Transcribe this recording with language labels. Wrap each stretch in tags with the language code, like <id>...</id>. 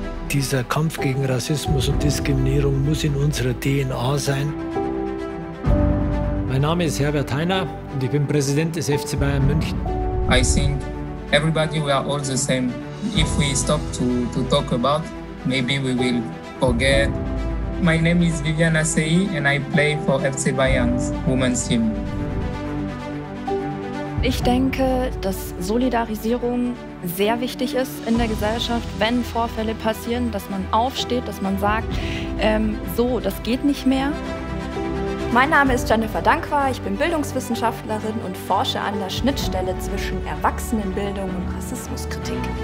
<de>Dieser Kampf gegen Rassismus und Diskriminierung muss in unserer DNA sein. Mein Name ist Herbert Heiner und ich bin Präsident des FC Bayern München.</de> <en>I think everybody, we are all the same. If we stop to talk about, maybe we will forget. My name is Viviane Assayi and I play for FC Bayern's women's team.</en> <de>Ich denke, dass Solidarisierung sehr wichtig ist in der Gesellschaft, wenn Vorfälle passieren, dass man aufsteht, dass man sagt, so, das geht nicht mehr. Mein Name ist Jennifer Dankwar, ich bin Bildungswissenschaftlerin und forsche an der Schnittstelle zwischen Erwachsenenbildung und Rassismuskritik.</de>